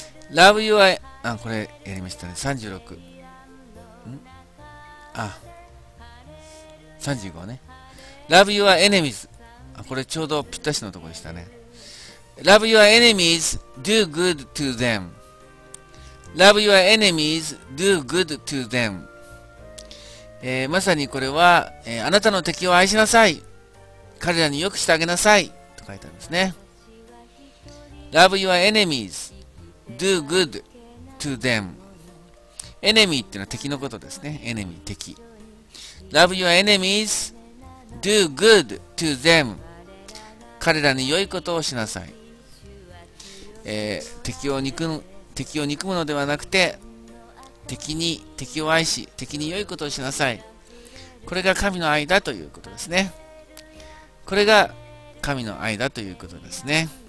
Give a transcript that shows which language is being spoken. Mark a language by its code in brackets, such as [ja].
[en] Love you I、 [ja] あ、これやりましたね。36ん、あ、35ね。 [en] Love you are enemies、 [ja] あ、これちょうどぴったしのとこでしたね。 [en] Love your enemies, do good to them. Love your enemies, do good to them. [ja] まさにこれは、あなたの敵を愛しなさい。彼らに良くしてあげなさい。と書いてあるんですね。 [en] Love your enemies, do good to them. [ja] Enemy っていうのは敵のことですね。 Enemy、敵。 [en] Love your enemies, do good to them. [ja] 彼らに良いことをしなさい。敵を憎むのではなくて、敵を愛し、敵に良いことをしなさい。これが神の愛だということですね。これが神の愛だということですね。